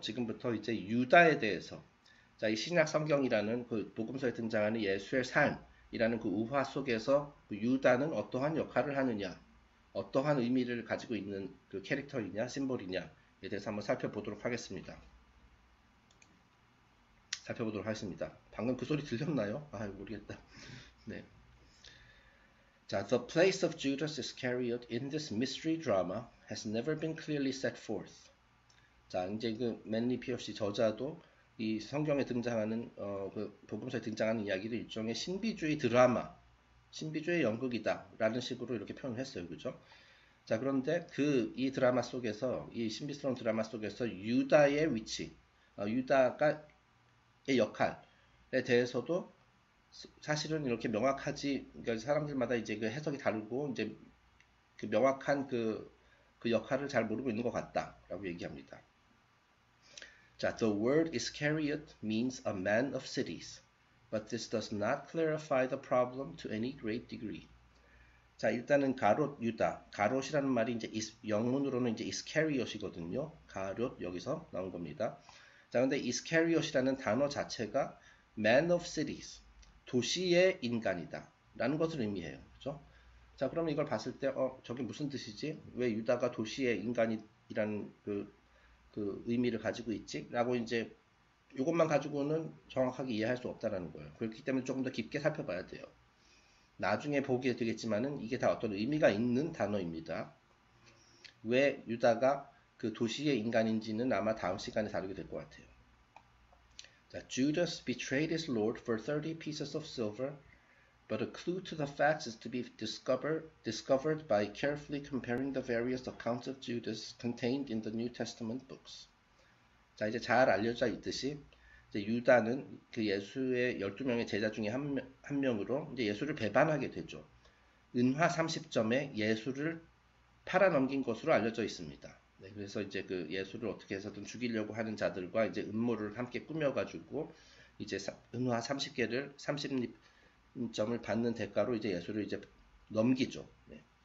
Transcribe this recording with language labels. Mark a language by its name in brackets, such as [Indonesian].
[Korean] 지금부터 이제 유다에 대해서, 자, 이 신약 성경이라는 그 복음서에 등장하는 예수의 삶이라는 그 우화 속에서 그 유다는 어떠한 역할을 하느냐, 어떠한 의미를 가지고 있는 그 캐릭터이냐, 심볼이냐에 대해서 한번 살펴보도록 하겠습니다. 살펴보도록 하겠습니다. 방금 그 소리 들렸나요? 아, 모르겠다. 네. [English] 자, The place of Judas Iscariot in this mystery drama has never been clearly set forth. [Korean] 자, 이제 그 맨리 피어시 저자도 이 성경에 등장하는, 그 복음서에 등장하는 이야기를 일종의 신비주의 드라마, 신비주의 연극이다라는 식으로 이렇게 표현을 했어요. 그죠? 자, 그런데 이 드라마 속에서, 이 신비스러운 드라마 속에서 유다의 위치, 유다가의 역할에 대해서도 사실은 이렇게 명확하지, 그러니까 사람들마다 이제 그 해석이 다르고, 이제 그 명확한 그 역할을 잘 모르고 있는 것 같다라고 얘기합니다. [English] 자, the word Iscariot means a man of cities. But this does not clarify the problem to any great degree. [Korean] 자, 일단은 가롯 유다. 가롯이라는 말이 이제 영문으로는 이제 이스카리옷이거든요. 가롯 여기서 나온 겁니다. 자, 근데 이스카리옷이라는 단어 자체가 [English] man of cities, [Korean] 도시의 인간이다 라는 것을 의미해요. 그렇죠? 자, 그러면 이걸 봤을 때 저게 무슨 뜻이지? 왜 유다가 도시의 인간이라는 그 의미를 가지고 있지? 라고 이제 이것만 가지고는 정확하게 이해할 수 없다라는 거예요. 그렇기 때문에 조금 더 깊게 살펴봐야 돼요. 나중에 보게 되겠지만은 이게 다 어떤 의미가 있는 단어입니다. 왜 유다가 그 도시의 인간인지는 아마 다음 시간에 다루게 될것 같아요. 자, [English] Judas betrayed his Lord for 30 pieces of silver But a clue to the facts is to be discovered by carefully comparing the various accounts of Judas contained in the New Testament books. [Korean] 자, 이제 잘 알려져 있듯이 이제 유다는 그 예수의 12명의 제자 중에 한 명으로 이제 예수를 배반하게 되죠. 은화 30점에 예수를 팔아넘긴 것으로 알려져 있습니다. 네, 그래서 이제 그 예수를 어떻게 해서든 죽이려고 하는 자들과 이제 음모를 함께 꾸며가지고 이제 은화 30개를 30립 점을 받는 대가로 이제 예수를 이제 넘기죠. 네.